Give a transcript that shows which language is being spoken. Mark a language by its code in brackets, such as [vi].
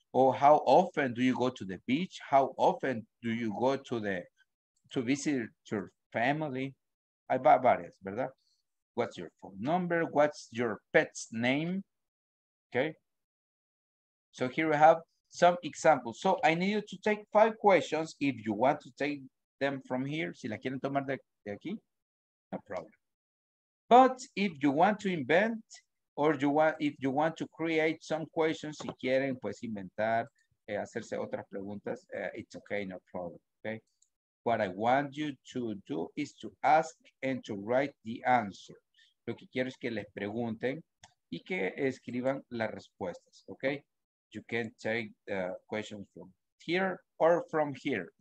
[en] Or how often do you go to the beach? How often do you go to the to visit your family? [es] Hay varias, ¿verdad? [en] What's your phone number? What's your pet's name? Okay. So here we have some examples. So I need you to take 5 questions if you want to take them from here. [es] Si la quieren tomar de aquí, [en] no problem. But if you want to invent or you want, if you want to create some questions, [es] si quieren pues inventar, hacerse otras preguntas, [en] it's okay, no problem, okay? What I want you to do is to ask and to write the answer. [es] Lo que quiero es que les pregunten y que escriban las respuestas, okay? [en] You can take the questions from here or from here.